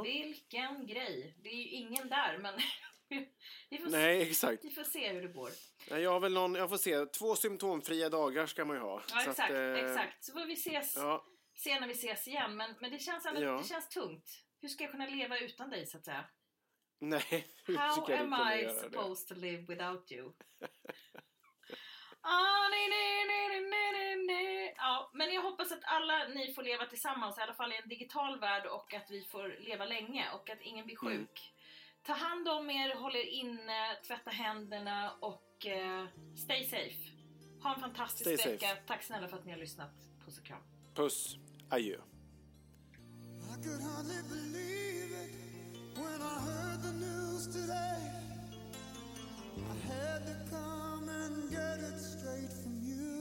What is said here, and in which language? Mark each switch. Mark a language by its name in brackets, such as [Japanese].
[Swedish] Vilken grej. Det är ju ingen där, men... Nej, exakt. Vi får se hur det går. Jag har väl någon, jag får se. 2 symptomfria dagar ska man ju ha. Ja, exakt. Så, att, exakt. Så får vi ses, ja, se när vi ses igen. Men det känns, ja, det känns tungt. Hur ska jag kunna leva utan dig, så att säga? Nej. [English] How am I supposed to live without you? [Swedish] Ah, nej, nej, nej, nej, nej, nej, nej. Ja, men jag hoppas att alla ni får leva tillsammans, i alla fall i en digital värld, och att vi får leva länge och att ingen blir sjuk. Mm. Ta hand om er, håll er inne, tvätta händerna och [English] stay safe. [Swedish] Ha en fantastisk [English] stay [Swedish] vecka. [English] Safe. [Swedish] Tack snälla för att ni har lyssnat. Puss och kram. Puss. Adjö. [English] I could hardly believe it when I heard the news today. I had to come and get it straight from you.